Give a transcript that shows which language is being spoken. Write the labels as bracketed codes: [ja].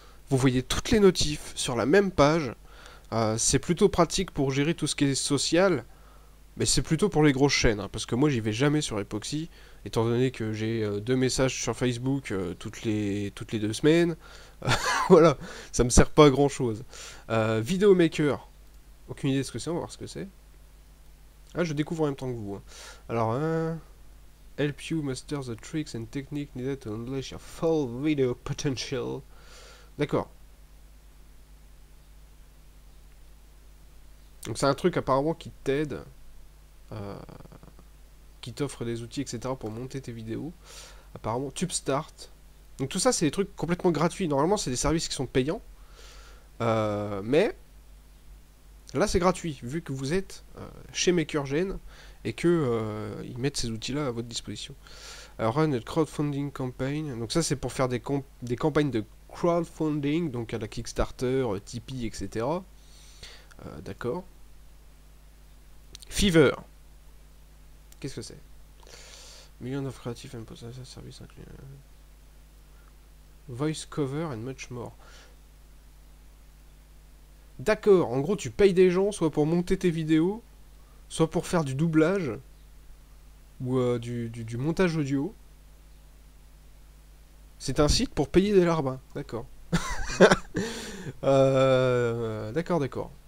[fr] Vous voyez toutes les notifs sur la même page. C'est plutôt pratique pour gérer tout ce qui est social, mais c'est plutôt pour les grosses chaînes, hein, parce que moi j'y vais jamais sur Epoxy, étant donné que j'ai 2 messages sur Facebook toutes les 2 semaines. Voilà, ça me sert pas à grand chose. Videomaker, aucune idée de ce que c'est, on va voir ce que c'est. Ah, je découvre en même temps que vous. Hein. [en] Alors, Help you master the tricks and techniques needed to unleash your full video potential. [fr] D'accord. Donc c'est un truc apparemment qui t'aide, qui t'offre des outils, etc. pour monter tes vidéos. Apparemment, TubeStart. Donc tout ça, c'est des trucs complètement gratuits. Normalement, c'est des services qui sont payants. Mais là, c'est gratuit, vu que vous êtes chez MakerGen. Et que ils mettent ces outils-là à votre disposition. [en] Run a crowdfunding campaign. [fr] Donc ça, c'est pour faire des campagnes de crowdfunding, donc à la Kickstarter, Tipeee, etc. D'accord. Fiverr. Qu'est-ce que c'est? [en] Million of creative and possessive service inclus. Voice cover and much more. [fr] D'accord. En gros, tu payes des gens, soit pour monter tes vidéos. Soit pour faire du doublage ou du montage audio. C'est un site pour payer des larbins, d'accord. D'accord.